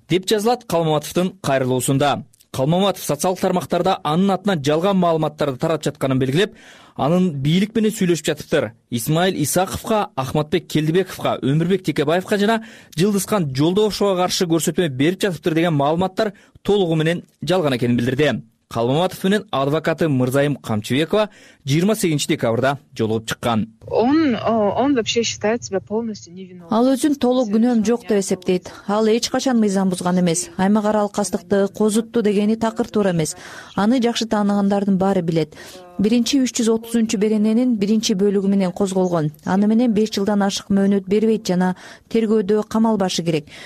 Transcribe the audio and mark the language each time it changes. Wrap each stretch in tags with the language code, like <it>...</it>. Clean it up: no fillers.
<ky>деп жазылат Калмаматовдун кайрылуусунда. Калмаматов социалдык тармактарда анын атынан жалган маалыматтарды таратып жатканын белгилеп, анын бийлик менен сүйлөшүп жатыптыр. Исмаил Исаковго, Ахматбек Келдибековго, Өмүрбек Текебаевго жана Жылдызкан Жолдошовго каршы көрсөтмө берип жатыптыр деген маалыматтар толугу менен жалган экенин билдирди. Калмаматов менен адвокаты Мырзайым Камчыбекова 28 декабрда жолугуп чыккан.</ky> <ru>Он вообще считает себя полностью невиновным.</ru> <ky>Ал өзүн толук күнөөм жок деп эсептейт. Ал эч качан мыйзам бузган эмес. Аймак аралык кастыкты козутту дегени такыр туура эмес. Аны жакшы таанагандардын баары билет. 330-беренинин 1-бөлүгү менен козголгон. Аны менен 5 жылдан ашык мөөнөт бербейт жана тергөөдө камалбашы керек.</ky>